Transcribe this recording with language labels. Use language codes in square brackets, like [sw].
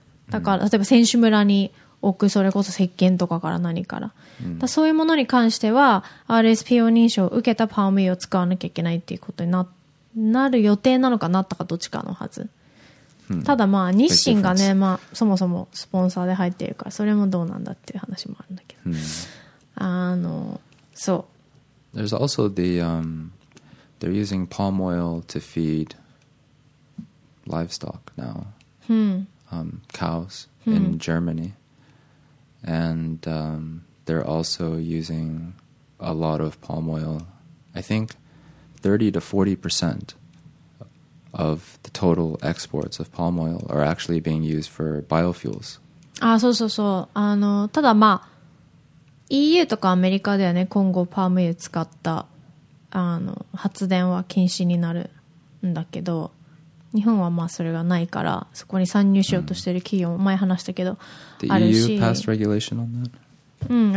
[ja] だから例えば選手村に置く、それこそ石鹸とかから何か ら、うん、だからそういうものに関しては RSPO 認証を受けたパーム油を使わなきゃいけないっていうことになってなる予定なのかなったかどっちかのはず、ただまあ日清がね、まあそもそもスポンサーで入っているからそれもどうなんだっていう話もあるんだけど、あのそう [en] There's also the they're using palm oil to feed livestock now、cows in Germany and、they're also using a lot of palm oil I think 30 to 40%of the total exports of palm oil are actually being used for biofuels. [ja] あ、そうそうそう。あの、ただまあ、EU とかアメリカではね、今後パーム油使ったあの発電は禁止になるんだけど、日本はまあそれがないから、そこに参入しようとしてる企業も前話したけど、 [en] The EU passed regulation on that?